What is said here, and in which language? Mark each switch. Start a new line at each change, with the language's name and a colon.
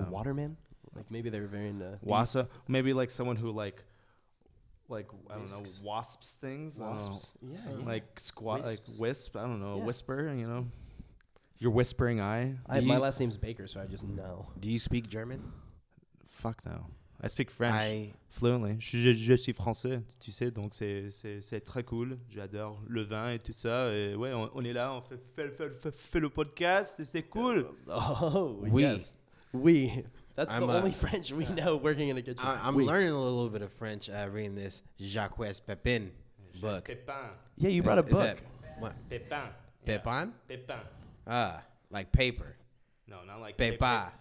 English: Like a waterman? Like maybe they were very into...
German: Wasser?
English: Maybe like someone who like I don't know, wasps things? Wasps? Yeah. Like squat, like wisp? I don't know, yeah. Whisper, you know? Your whispering eye? My last name's Baker, so I just know. Do you speak German? Fuck no. I speak French fluently.
French: Je suis français, tu sais, donc c'est très cool. J'adore le vin et tout ça. Et ouais, on est là, on fait le podcast, et c'est cool. Oh, oui.
English: Yes.
French: Oui.
English: That's the only French we know working in a kitchen. I'm learning a little bit of French reading this Jacques Pepin book. Pepin. Yeah, you brought a book. What? Pepin. Pepin? Yeah. Pepin. Like paper. No, not like paper. Pepa.